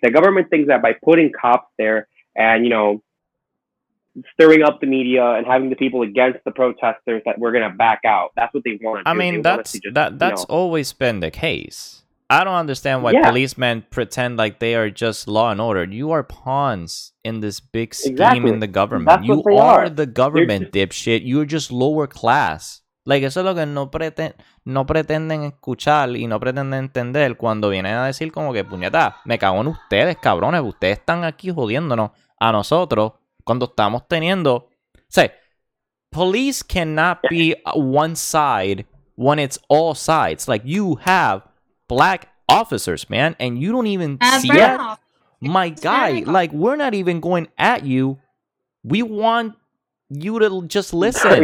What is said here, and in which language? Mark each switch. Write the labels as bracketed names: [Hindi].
[English] The government thinks that by putting cops there and, you know, stirring up the media and having the people against the protesters, that we're going to back out. That's what they want to do. I mean, that's, just, that's always been the case. I don't understand why policemen pretend like they are just law and order. You are pawns in this big scheme in the government. you are the government, dipshit. You're just lower class. [Spanish] Like, eso es lo que no pretenden escuchar y no pretenden entender cuando vienen a decir como que, puñeta, me cago en ustedes, cabrones. Ustedes están aquí jodiéndonos a nosotros cuando estamos teniendo... [English] Say, police cannot be one side when it's all sides. Like, you have black officers, man, and you don't even see it. My guy, like, we're not even going at you. We want you to just listen.